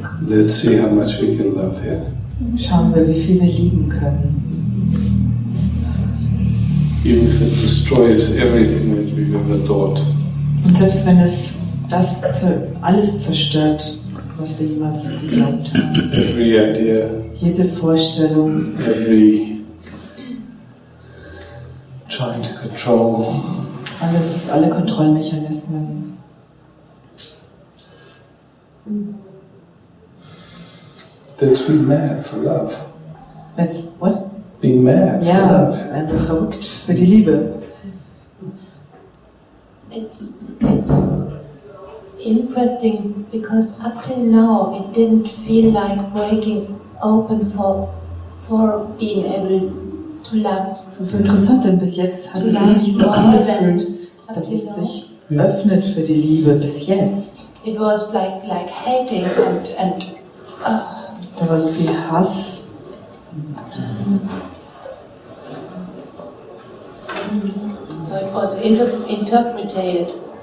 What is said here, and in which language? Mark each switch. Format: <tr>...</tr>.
<en>let's see how much we can love here.</en> <de>Schauen wir, wie viel wir lieben können.</de> <en>Even if it destroys everything that we've ever thought.</en> <de>Und selbst wenn es das alles zerstört, was wir jemals geglaubt haben.</de> <en>Every idea,</en> <de>jede Vorstellung,</de> <en>every trying to control,</en> <de>alle Kontrollmechanismen.</de> <en>That's being mad for love. That's what? Being mad for love.</en> <de>Ja, einfach verrückt für die Liebe.</de> <en>It's interesting, because up till now it didn't feel like breaking open for being able to love.</en> <de>Das ist interessant, denn bis jetzt hat es sich nicht so angefühlt, dass es sich öffnet für die Liebe bis jetzt.</de> <en>It was like hating and</en> <de>da war so viel Hass.</de> <en>So it was interpreted.</en>